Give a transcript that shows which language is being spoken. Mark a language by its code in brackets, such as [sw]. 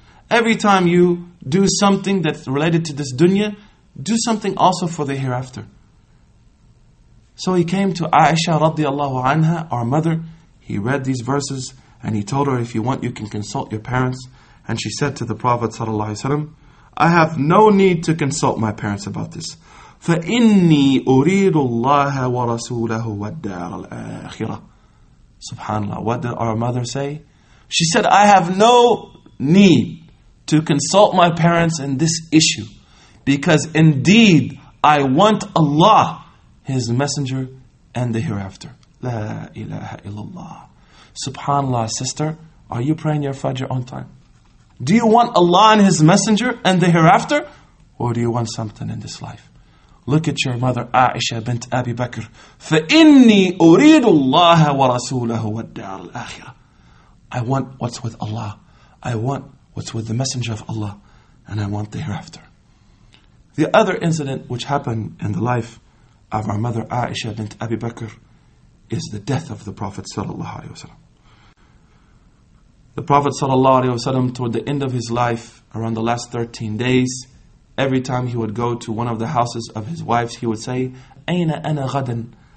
[en] Every time you do something that's related to this dunya, do something also for the hereafter. So he came to Aisha radiallahu anha, our mother. He read these verses and he told her, if you want, you can consult your parents. And she said to the Prophet sallallahu alaihi wasallam, I have no need to consult my parents about this. [ar] فَإِنِّي أُرِيدُ اللَّهَ وَرَسُولَهُ وَالدَّارَ الْآخِرَةِ SubhanAllah. [en] What did our mother say? She said, I have no need to consult my parents in this issue, because indeed I want Allah, His Messenger, and the hereafter. La ilaha illallah. SubhanAllah, sister, are you praying your Fajr on time? Do you want Allah and His Messenger and the hereafter? Or do you want something in this life? Look at your mother Aisha bint Abi Bakr. [ar] فَإِنِّي أُرِيدُ اللَّهَ وَرَسُولَهُ وَالدَّارَ الْآخِرَةِ [en] I want what's with Allah. I want what's with the Messenger of Allah. And I want the hereafter. The other incident which happened in the life of our mother Aisha bint Abi Bakr is the death of the Prophet sallallahu alaihi wasallam. The Prophet sallallahu alaihi wasallam, toward the end of his life, around the last 13 days, every time he would go to one of the houses of his wives, he would say, [ar] Aina ana ghadan?